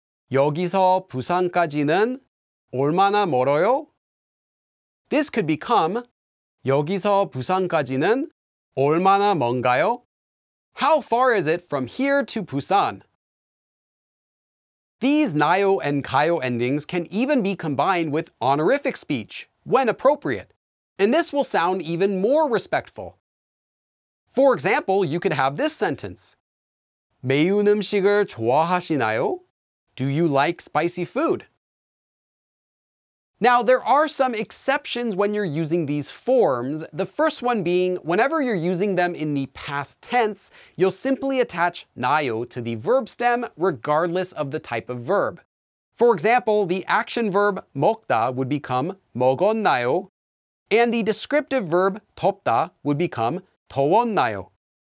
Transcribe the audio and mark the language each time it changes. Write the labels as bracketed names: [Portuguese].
[Korean] 여기서 부산까지는 얼마나 멀어요? [English] This could become [Korean] 여기서 부산까지는 얼마나 먼가요? [English] How far is it from here to Busan? These 나요 and 가요 endings can even be combined with honorific speech, when appropriate, and this will sound even more respectful. For example, you could have this sentence. [Korean] 매운 음식을 좋아하시나요? [English] Do you like spicy food? Now, there are some exceptions when you're using these forms, the first one being whenever you're using them in the past tense, you'll simply attach 나요 to the verb stem regardless of the type of verb. For example, the action verb 먹다 would become 먹었나요, and the descriptive verb 덥다 would become 더웠나요.